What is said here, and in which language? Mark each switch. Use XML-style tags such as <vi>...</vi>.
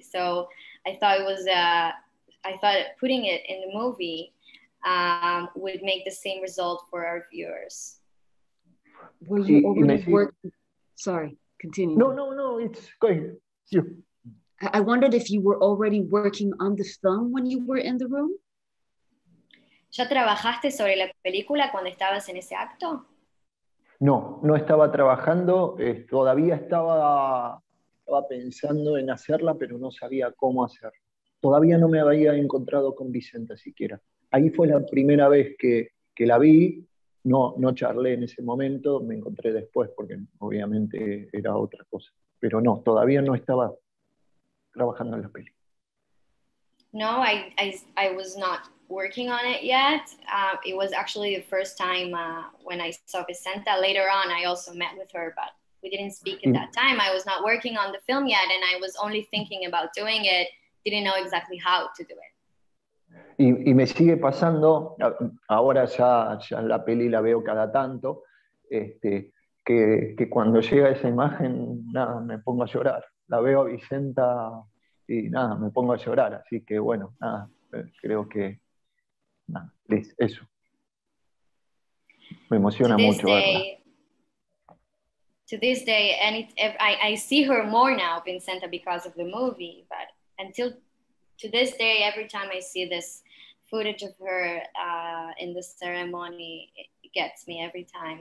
<en>So I thought I thought putting it in the movie would make the same result for our viewers. Will you already work? Sorry, continue. No, it's going. I wondered if you were already working on the film when you were in the room.</en> <es>¿Ya trabajaste sobre la película cuando estabas en ese acto? No estaba trabajando. Todavía estaba pensando en hacerla, pero no sabía cómo hacerla. Todavía no me había encontrado con Vicenta siquiera. Ahí fue la primera vez que la vi. No charlé en ese momento, me encontré después porque obviamente era otra cosa. Pero no, todavía no estaba trabajando en la peli.</es> <en>No, I was not working on it yet. It was actually the first time when I saw Vicenta. Later on, I also met with her, but we didn't speak at that time. I was not working on the film yet, and I was only thinking about doing it. Didn't know exactly how to do it.</en> <es>Y me sigue pasando, ahora ya la peli la veo cada tanto, que cuando llega esa imagen, nada, me pongo a llorar. La veo a Vicenta y nada, me pongo a llorar. Así que bueno, nada, creo que nada, es eso. Me emociona mucho verla.</es> <en>To this day, and I see her more now, Vicenta, because of the movie, but until to this day, every time I see this footage of her in the ceremony, it gets me every time.</en>